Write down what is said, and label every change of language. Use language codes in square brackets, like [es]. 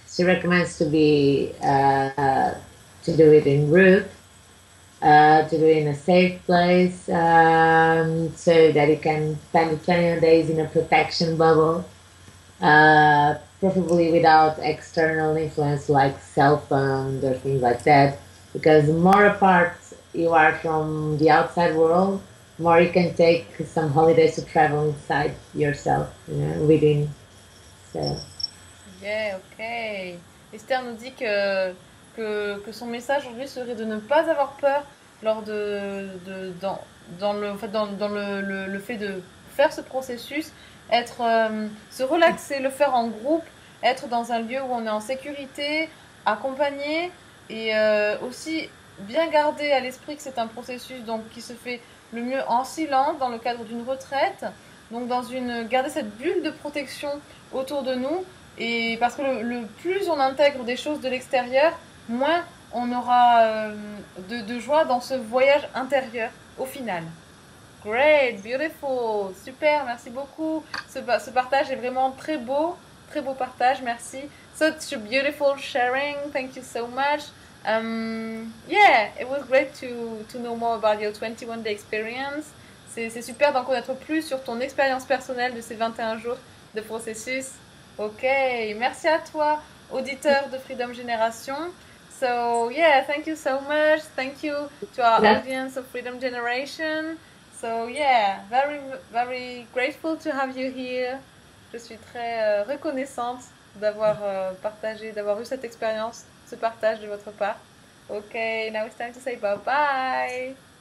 [en] She recommends to be to do it in group, to do it in a safe place, so that you can spend 21 days in a protection bubble, preferably without external influence like cell phones or things like that, because the more apart you are from the outside world, more you can take some holidays to travel inside yourself, you know, within. So. Yeah, okay. [fr] Esther nous dit que son message aujourd'hui serait de ne pas avoir peur lors le fait de faire ce processus, être se relaxer, le faire en groupe, être dans un lieu où on est en sécurité, accompagné et aussi bien garder à l'esprit que c'est un processus donc qui se fait le mieux en silence, dans le cadre d'une retraite, donc dans une garder cette bulle de protection autour de nous, et parce que le plus on intègre des choses de l'extérieur, moins on aura de joie dans ce voyage intérieur au final. [en] Great, beautiful, super, [fr] merci beaucoup. Ce partage est vraiment très beau partage, merci. [en] Such a beautiful sharing, thank you so much. Yeah, it was great to know more about your 21 day experience. [fr] C'est super d'en connaître plus sur ton expérience personnelle de ces 21 jours de processus. Ok, merci à toi, auditeur de Freedom Generation. [en] So yeah, thank you so much. Thank you to our audience of Freedom Generation. So yeah, very very grateful to have you here. [fr] Je suis très reconnaissante d'avoir partagé, d'avoir eu cette expérience. Partage de votre part. [en] Ok, now it's time to say bye-bye.